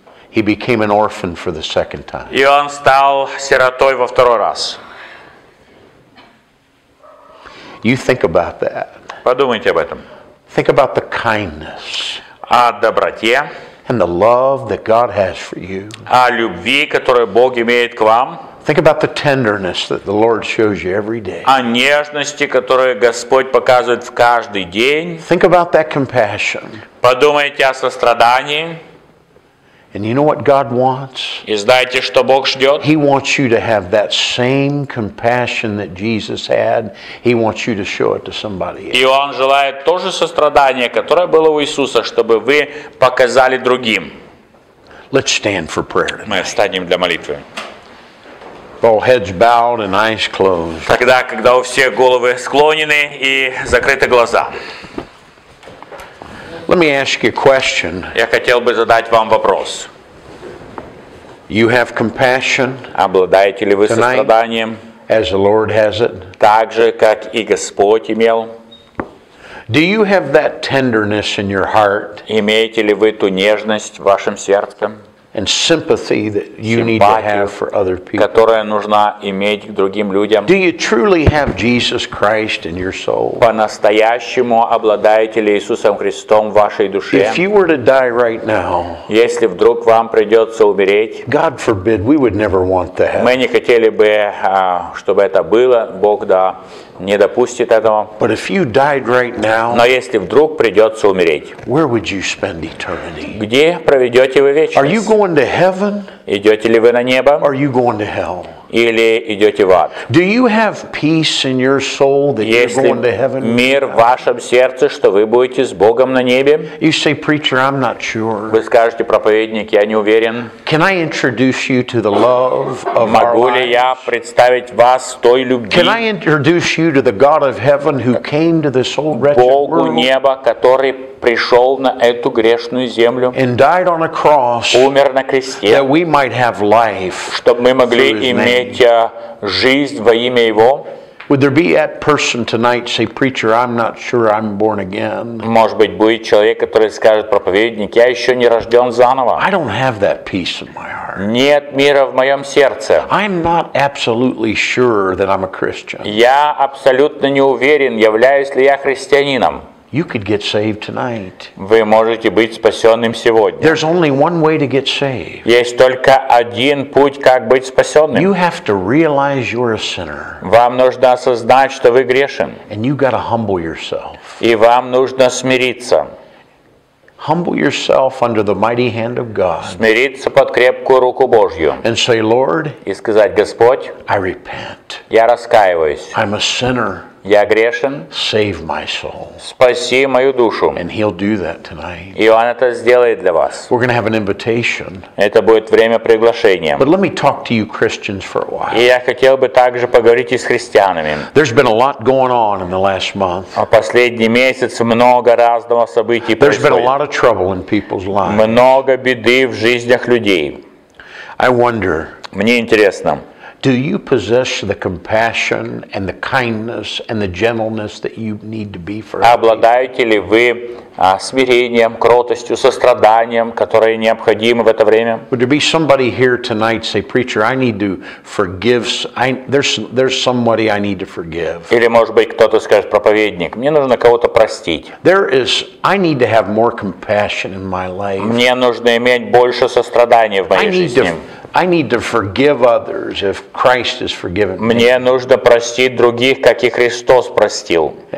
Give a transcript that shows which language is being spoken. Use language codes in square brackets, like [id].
[en] He became an orphan for the second time. [ru] И он стал сиротой во второй раз. [en] You think about that. [ru] Подумайте об этом. [en] Think about the kindness. [ru] О доброте. [en] And the love that God has for you. [ru] О любви, которую Бог имеет к вам. [en] Think about the tenderness that the Lord shows you every day. [ru] О нежности, которую Господь показывает в каждый день. [en] Think about that compassion. [ru] Подумайте о сострадании. [en] And you know what God wants? [ru] И знаете, что Бог ждет? [en] He wants you to have that same compassion that Jesus had. He wants you to show it to somebody else. [ru] И Он желает то же сострадание, которое было у Иисуса, чтобы вы показали другим. [en] Let's stand for prayer tonight. [ru] Мы встанем для молитвы. [en] All heads bowed and eyes closed. [ru] Тогда, когда у всех головы склонены и закрыты глаза. [en] Let me ask you a question. [ru] Я хотел бы задать вам вопрос. [en] You have compassion? [ru] Обладаете ли вы состраданием? [en] As the Lord has it? [ru] Так же, как и Господь имел. [en] Do you have that tenderness in your heart? [ru] Имеете ли вы ту нежность в вашем сердце? [en] And sympathy that you need to have for other people. [ru] Которая нужна иметь к другим людям. [en] Do you truly have Jesus Christ in your soul? [ru] По-настоящему обладаете ли Иисусом Христом в вашей душе? [en] If you were to die right now. [ru] Если вдруг вам придется умереть. [en] God forbid, we would never want that. [ru] Мы не хотели бы, чтобы это было. Бог да не допустит этого. [en] But if you died right now. [ru] Но если вдруг придется умереть. [en] Where would you spend eternity? [ru] Где проведете вы вечность? [en] Are you going to heaven? [ru] Идете ли вы на небо? [en] Are you going to hell? [ru] Или идете в ад? [en] Do you have peace in your soul that you're going to heaven? [ru] Есть ли мир в вашем сердце, что вы будете с Богом на небе? [en] You say, preacher, I'm not sure. [ru] Вы скажете, проповедник, я не уверен. [en] Can I introduce you to the love of our God? [ru] Могу ли я представить вас той любви? [en] Can I introduce you to the God of heaven who came to this old wretched world? [ru] Богу неба, который пришел на эту грешную землю, [en] and died on a cross, [ru] умер на кресте, [en] that we might have life, [ru] чтобы мы могли иметь жизнь во имя Его. [en] Would there be that person tonight say, preacher, I'm not sure I'm born again? [ru] Может быть, будет человек, который скажет, проповедник, я еще не рожден заново. [en] I don't have that peace in my heart. [ru] Нет мира в моем сердце. [en] I'm not absolutely sure that I'm a Christian. [ru] Я абсолютно не уверен, являюсь ли я христианином. [en] You could get saved tonight. [ru] Вы можете быть спасенным сегодня. [en] There's only one way to get saved. [ru] Есть только один путь, как быть спасенным. [en] You have to realize you're a sinner. [ru] Вам нужно осознать, что вы грешен. [en] And you got to humble yourself. [ru] И вам нужно смириться. [en] Humble yourself under the mighty hand of God. [ru] Смириться под крепкую руку Божью. [en] And say, Lord. [ru] И сказать, Господь. [en] I repent. [ru] Я раскаиваюсь. [en] I'm a sinner. [ru] Я грешен. [en] Save my soul. [ru] Спаси мою душу. [en] And he'll do that tonight. [ru] И он это сделает для вас. [en] We're going to have an invitation. [ru] Это будет время приглашения. [en] But let me talk to you Christians for a while. [ru] И я хотел бы также поговорить и с христианами. [en] There's been a lot going on in the last month. [ru] А последний месяц много разного событий происходит. [en] There's been a lot of trouble in people's lives. [ru] Много беды в жизнях людей. [en] I wonder. [ru] Мне интересно. [en] Do you possess the compassion and the kindness and the gentleness that you need to be for? [ru] Обладаете ли вы смирением, кротостью, состраданием, которое необходимо в это время? [en] Would there be somebody here tonight say, preacher, I need to forgive. There's somebody I need to forgive. [ru] Или может быть кто-то скажет, проповедник, мне нужно кого-то простить. [en] There is. I need to have more compassion in my life. [ru] Мне нужно иметь больше сострадания в моей жизни. [en] I need to forgive others if Christ has forgiven me. [ru] Мне нужно простить других, как и Христос простил.